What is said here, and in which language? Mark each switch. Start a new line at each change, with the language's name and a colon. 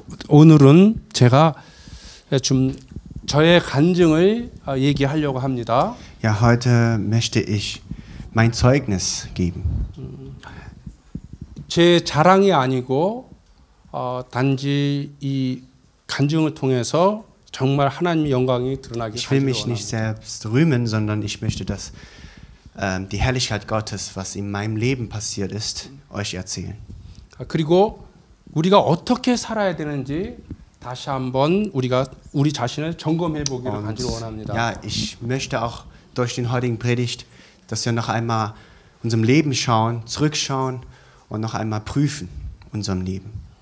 Korean: 오늘은 제가 좀 저의 간증을 얘기하려고 합니다.
German: Ja, heute möchte ich mein Zeugnis geben.
Korean: 제 자랑이 아니고 단지 이 간증을 통해서 정말 하나님의 영광이 드러나기 바랍니다.
German: Ich will mich nicht selbst rühmen, sondern ich möchte, dass die Herrlichkeit Gottes, was in meinem Leben passiert ist, euch erzählen.
Korean: 그리고 우리가 어떻게 살아야 되는지 다시 한번 우리가 우리 자신을 점검해 보기를 간절히 원합니다.
German: Ja, ich möchte auch durch den heutigen Predigt, dass wir noch einmal unserem Leben schauen, zurückschauen und noch einmal prüfen unserem Leben.